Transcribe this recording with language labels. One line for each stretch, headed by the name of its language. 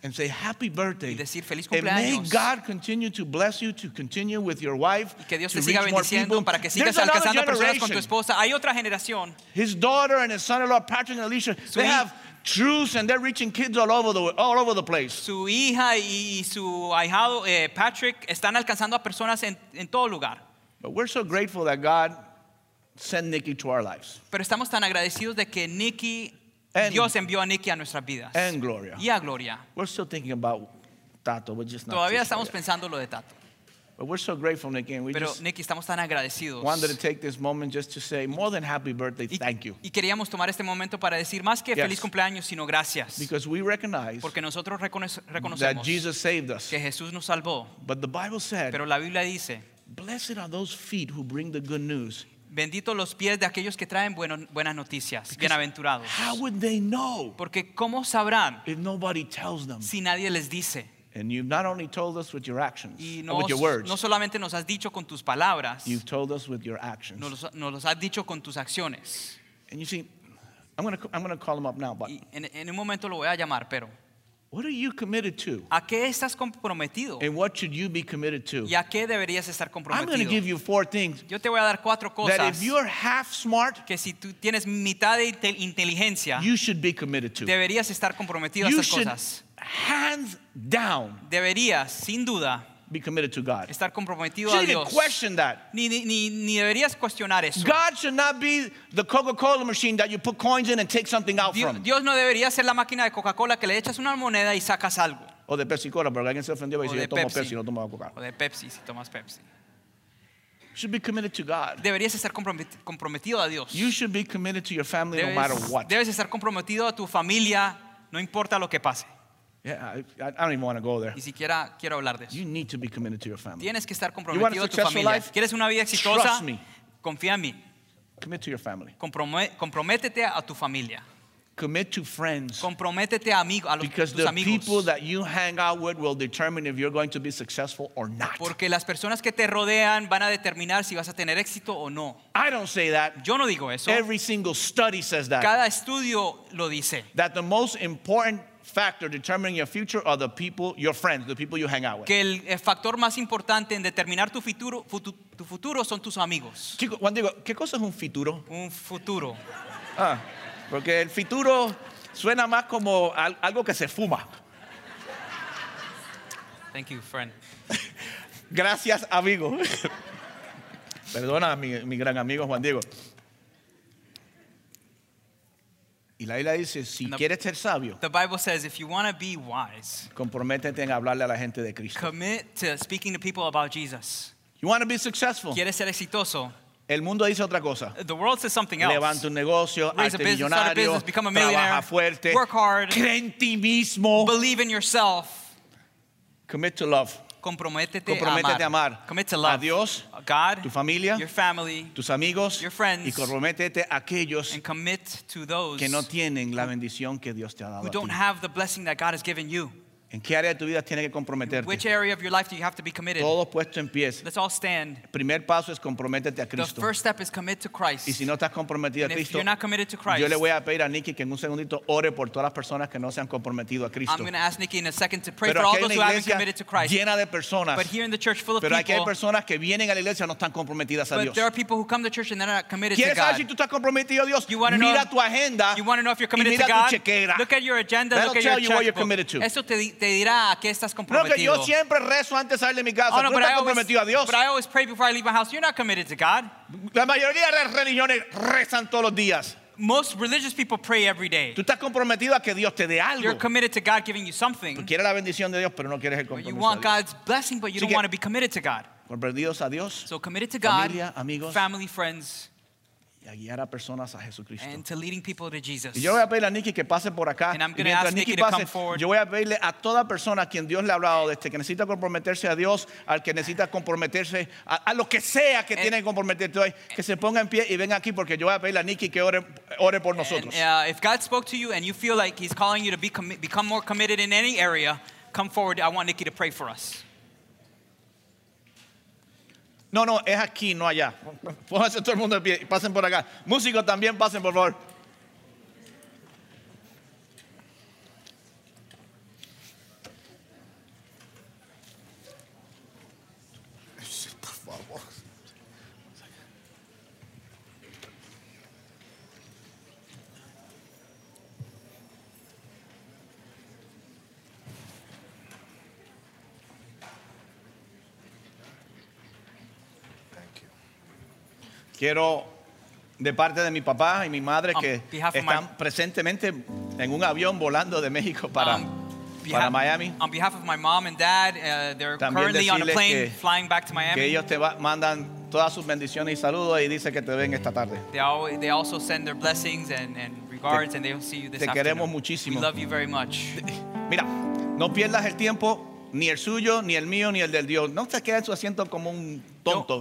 English: And say happy birthday.
Spanish: Y decir feliz cumpleaños.
English: And may God continue to bless you to continue with your wife.
Spanish: Y que Dios te
English: to
Spanish: siga bendiciendo para que sigas
English: there's
Spanish: alcanzando personas con tu esposa. Hay otra generación.
English: His daughter and his son-in-law Patrick and Alicia.
Spanish: Su
English: they have truths and they're reaching kids all over the place.
Spanish: Su hija y su ahijado Patrick están alcanzando a personas en todo lugar.
English: But we're so grateful that God sent Nikki to our lives.
Spanish: Pero estamos tan agradecidos de que Nikki
English: and,
Spanish: Dios envió a Nikki a nuestras vidas.
English: And Gloria.
Spanish: Y a Gloria.
English: We're still thinking about Tato. We're just not
Spanish: todavía estamos pensando lo de Tato.
English: But we're so grateful, Nikki, and we
Spanish: pero,
English: just
Spanish: Nikki, estamos tan agradecidos.
English: Wanted to take this moment just to say more than happy birthday, thank you.
Spanish: Y queríamos tomar este momento para decir más que feliz cumpleaños, sino gracias.
English: Because we recognize
Spanish: porque nosotros reconocemos
English: that Jesus saved us.
Spanish: Que Jesús nos salvó.
English: But the Bible said,
Spanish: pero la Biblia dice,
English: blessed are those feet who bring the good news.
Spanish: Bendito los pies de aquellos que traen buenas noticias,
English: because
Spanish: bienaventurados.
English: How would they know
Spanish: porque cómo sabrán
English: if nobody tells them?
Spanish: Si nadie les dice.
English: And you've not only told us with your actions, with your words.
Spanish: No solamente nos has dicho con tus palabras.
English: You've told us with your actions.
Spanish: Nos has dicho con tus acciones.
English: And you see, I'm gonna call him up now. But
Spanish: en un momento lo voy a llamar, pero.
English: What are you committed to?
Spanish: ¿A qué estás comprometido?
English: And what should you be committed to?
Spanish: ¿Y a qué deberías estar comprometido?
English: I'm going to give you four things.
Spanish: Yo te voy a dar cuatro cosas.
English: That if you're half smart,
Spanish: que si tú tienes mitad de inteligencia,
English: you should be committed to.
Spanish: Deberías estar comprometido
English: you
Spanish: a esas cosas.
English: Hands down.
Spanish: Deberías, sin duda,
English: be committed to God.
Spanish: Estar comprometido a Dios.
English: shouldn't question that.
Spanish: Ni deberías cuestionar eso.
English: God should not be the Coca-Cola machine that you put coins in and take something out from.
Spanish: Dios no debería ser la máquina de Coca-Cola que le echas una moneda y sacas algo. O de Pepsi-Cola, porque alguien se ofendió y dice, yo tomo Pepsi, no tomo Coca-Cola. O de Pepsi, si tomas Pepsi.
English: Should be committed to God.
Spanish: Deberías estar comprometido a Dios.
English: You should be committed to your family no matter what.
Spanish: Debes estar comprometido a tu familia, no importa lo que pase.
English: Yeah, I don't even want to go there.
Spanish: Ni siquiera quiero hablar de eso.
English: You need to be committed to your family.
Spanish: Tienes que estar comprometido a tu familia. ¿Quieres una vida exitosa?
English: Trust me.
Spanish: Confía en mí.
English: Commit to your family.
Spanish: Comprométete a tu familia.
English: Commit to friends.
Spanish: Comprométete a amigos, a los amigos.
English: the people that you hang out with will determine if you're going to be successful or not.
Spanish: Porque las personas que te rodean van a determinar si vas a tener éxito o no.
English: I don't say that.
Spanish: Yo no digo eso.
English: Every single study says that.
Spanish: Cada estudio lo dice.
English: That the most important factor determining your future are the people, your friends, the people you hang out with.
Spanish: Que el factor más importante en determinar tu futuro son tus amigos. Chico, cuando digo, ¿qué cosa es un futuro? Un futuro. Ah, porque el futuro suena más como algo que se fuma.
English: Thank you, friend.
Spanish: Gracias, amigo. Perdona, mi gran amigo Juan Diego. Y la Biblia dice, si quieres ser sabio,
English: the Bible says, if you want to be wise,
Spanish: comprométete en hablarle a la gente de Cristo.
English: Commit to speaking to people about Jesus. You want to be successful.
Spanish: ¿Quieres ser exitoso? El mundo dice otra cosa.
English: The world says something else.
Spanish: Levanta un negocio,
English: raise
Spanish: hazte millonario,
English: start a business, become a millionaire,
Spanish: trabaja fuerte,
English: work hard,
Spanish: cree en ti mismo,
English: believe in yourself, commit to love.
Spanish: Comprométete a amar.
English: Commit to love.
Spanish: A Dios,
English: God,
Spanish: tu familia,
English: your family,
Spanish: tus amigos,
English: your friends,
Spanish: y comprométete a aquellos
English: and commit to those
Spanish: que no tienen la bendición que Dios te ha dado.
English: Who don't have the blessing that God has given you.
Spanish: ¿En qué área de tu vida tienes que comprometerte?
English: Which area of your life do you have to be committed?
Spanish: Todos puestos en pies.
English: Let's all stand.
Spanish: El primer paso es comprométete a Cristo.
English: The first step is commit to Christ.
Spanish: Y si no estás comprometido
English: and
Spanish: a Cristo,
English: if you're not committed to Christ,
Spanish: yo le voy a pedir a Nikki que en un segundito ore por todas las personas que no se han comprometido a Cristo.
English: I'm going to ask Nikki in a second to pray
Spanish: pero
English: for all those who haven't committed to Christ.
Spanish: Llena de personas.
English: But here in the church full of
Spanish: pero
English: people.
Spanish: Pero hay personas que vienen a la iglesia no están comprometidas a
English: but But there are people who come to church and they're not committed
Spanish: ¿quieres
English: to God.
Spanish: Saber si tú estás comprometido a Dios?
English: You want to
Spanish: mira
English: know,
Spanish: tu agenda.
English: You want to know if you're committed to God?
Spanish: Mira tu chequera.
English: Look at your agenda. That'll tell you what you're committed to.
Spanish: Te dirá a qué estás comprometido. No, que yo siempre rezo antes de salir de mi casa. Oh, no, tú estás comprometido a Dios.
English: But I always pray before I leave my house. You're not committed to God.
Spanish: La mayoría de las religiones rezan todos los días.
English: Most religious people pray every day.
Spanish: Tú estás comprometido a que Dios te dé algo.
English: You're committed to God giving you something.
Spanish: Tú quieres la bendición de Dios, pero no quieres el compromiso.
English: You want God's blessing, but you don't want to be committed to God.
Spanish: Comprometidos a Dios.
English: So committed to God.
Spanish: Familia, amigos.
English: Family, friends.
Spanish: Y a guiar a personas a Jesucristo.
English: And to leading people to Jesus.
Spanish: Y yo voy a pedirle a Nikki que pase por acá.
English: And I'm going to ask Nikki to come forward.
Spanish: Yo voy a pedirle a toda persona a quien Dios le ha hablado de este que necesita comprometerse a Dios, al que necesita comprometerse a lo que sea que tiene que comprometerse hoy, que se ponga en pie y venga aquí porque yo voy a pedirle a Nikki que ore por nosotros.
English: If God spoke to you and you feel like he's calling you to become more committed in any area, come forward. I want Nikki to pray for us.
Spanish: No, no, es aquí, no allá. Pónganse todo el mundo de pie. Pasen por acá. Músicos también, pasen, por favor. Por favor. Quiero, de parte de mi papá y mi madre, que están presentemente en un avión volando de México para
English: behalf,
Spanish: para Miami.
English: On behalf of my mom and dad, they're
Spanish: también
English: currently on a plane
Spanish: que,
English: flying back to Miami.
Spanish: Que ellos te mandan todas sus bendiciones y saludos y dice que te ven esta tarde.
English: They also send their blessings and regards, and they'll see you this
Spanish: te
English: afternoon.
Spanish: Queremos muchísimo.
English: We love you very much.
Spanish: Mira, no pierdas el tiempo. Ni el suyo, ni el mío, ni el del Dios. No te quedes en su asiento como un tonto.